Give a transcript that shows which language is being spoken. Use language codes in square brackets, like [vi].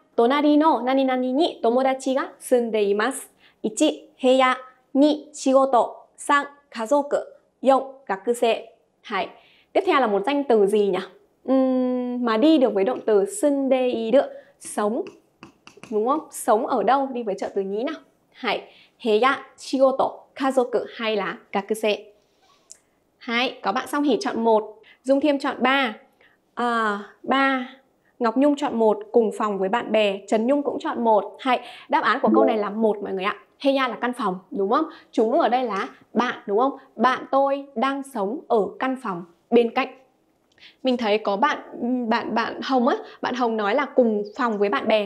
[ja] Tonari no nani nani ni tomodachi ga sunde imasu. 1. 部屋 2. 仕事 3. 家族 4. 学生 2. [vi] Tiếp theo là một danh từ gì nhỉ? Mà đi được với động từ [ja] 住んでいる, [vi] sống. Đúng không? Sống ở đâu? Đi với trợ từ nhí nào? 2. [ja] 部屋 仕事 家族 [vi] hay là [ja] 学生 2. [vi] Có bạn Song Hỷ chọn 1. Dung Thiêm chọn 3. 3. Ngọc Nhung chọn 1, cùng phòng với bạn bè. Trần Nhung cũng chọn 1. Hay, đáp án của câu này là 1 mọi người ạ. Heya là căn phòng, đúng không? Chúng ở đây là bạn, đúng không? Bạn tôi đang sống ở căn phòng bên cạnh. Mình thấy có bạn Hồng á. Bạn Hồng nói là cùng phòng với bạn bè.